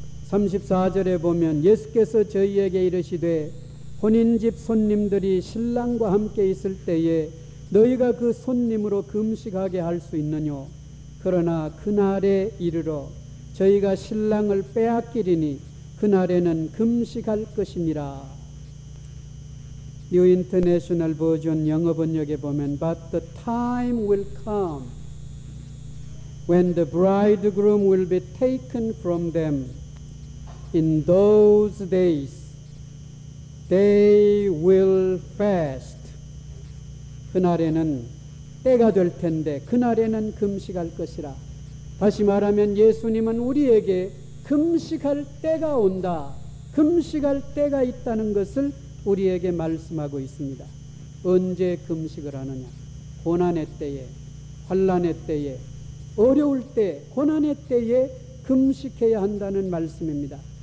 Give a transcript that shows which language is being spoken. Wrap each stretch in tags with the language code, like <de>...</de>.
<ko>34절에 보면 예수께서 저희에게 이르시되 혼인집 손님들이 신랑과 함께 있을 때에 너희가 그 손님으로 금식하게 할 수 있느뇨? 그러나 그날에 이르러 저희가 신랑을 빼앗기리니 그날에는 금식할 것이니라. 뉴 인터내셔널 버전 영어 번역에 보면</ko> <en>But the time will come when the bridegroom will be taken from them. In those days they will fast.</en> <ko>그날에는 때가 될 텐데 그날에는 금식할 것이라. 다시 말하면 예수님은 우리에게 금식할 때가 온다, 금식할 때가 있다는 것을 우리에게 말씀하고 있습니다. 언제 금식을 하느냐? 고난의 때에, 환난의 때에, 어려울 때, 고난의 때에 금식해야 한다는 말씀입니다.</ko>